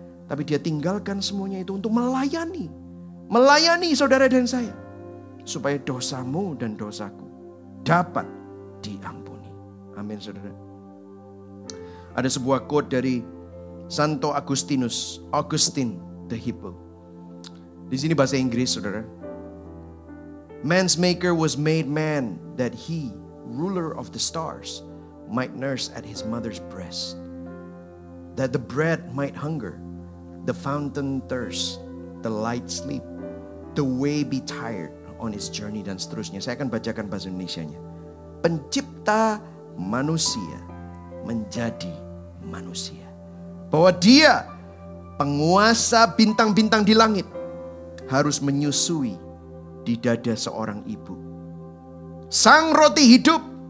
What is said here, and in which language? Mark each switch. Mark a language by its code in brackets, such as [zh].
[id] Tapi dia tinggalkan semuanya itu untuk melayani. Melayani saudara dan saya. Supaya dosamu dan dosaku dapat diampuni. Amin saudara. Ada sebuah quote dari Santo Agustinus, Augustine the Hippo. Di sini bahasa Inggris saudara. [en] Man's maker was made man that he, ruler of the stars, might nurse at his mother's breast. That the bread might hunger, the fountain thirst, the light sleep, the way be tired on his journey, [id] dan seterusnya. Saya akan bacakan bahasa Indonesianya. Pencipta manusia menjadi manusia. Bahwa dia, penguasa bintang-bintang di langit, harus menyusui di dada seorang ibu. Sang roti hidup